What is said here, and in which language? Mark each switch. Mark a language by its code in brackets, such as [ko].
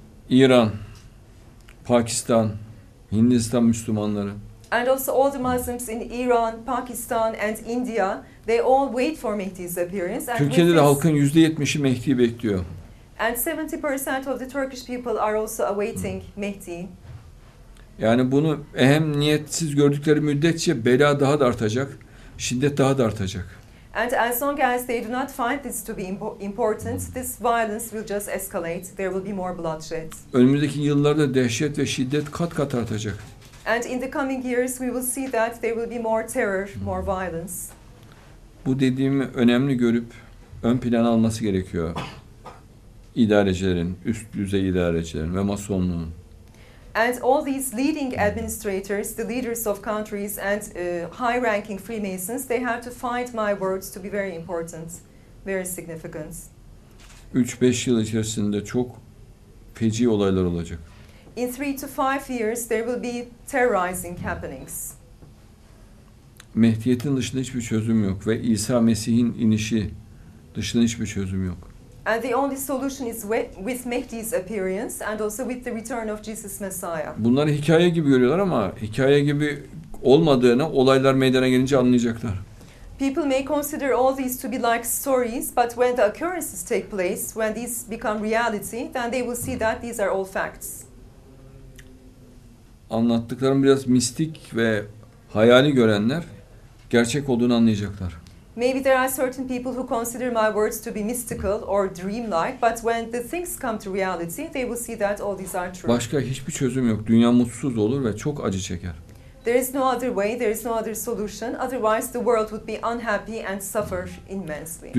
[tr] İran, Pakistan, Hindistan Müslümanları. [en] And also all the Muslims in Iran, Pakistan and India, they all wait for Mehdi's appearance. [tr] Türkiye'de de halkın %70'i Mehdi'yi bekliyor. [en] And 70% of the Turkish people are also awaiting Mehdi. [tr] Yani bunu ehem niyetsiz gördükleri müddetçe bela daha da artacak, şiddet daha da artacak. [en] And as long as they do not find this to be important, this violence will just escalate. There will be more bloodshed. [tr] Önümüzdeki yıllarda dehşet ve şiddet kat kat artacak. [en] And in the coming years we will see that there will be more terror, more violence. [tr] Bu dediğimi önemli görüp ön plana alması gerekiyor idarecilerin, üst düzey idarecilerin ve Masonluğun. [en] And all these leading administrators, the leaders of countries and high-ranking Freemasons, they have to find my words to be very important, very significant. [tr] 3-5 yıl içerisinde çok feci olaylar olacak. [en] In 3-5 years there will be terrorizing happenings. [tr] Mehdiyet'in dışında hiçbir çözüm yok ve İsa Mesih'in inişi dışında hiçbir çözüm yok. [en] And the only solution is with Mehdi's appearance and also with the return of Jesus Messiah. [tr] Bunları hikaye gibi görüyorlar ama hikaye gibi olmadığını olaylar meydana gelince anlayacaklar. [en] People may consider all these to be like stories, but when the occurrences take place, when these become reality, then they will see that these are all facts. [tr] Anlattıklarım biraz mistik ve hayali görenler gerçek olduğunu anlayacaklar. [en] Maybe there are certain people who consider my words to be mystical or dreamlike, but when the things come to reality, they will see that all these are true. [tr] Başka hiçbir çözüm yok. Dünya mutsuz olur ve çok acı çeker. [en] There is no other way, there is no other solution. Otherwise the world would be unhappy and suffer immensely.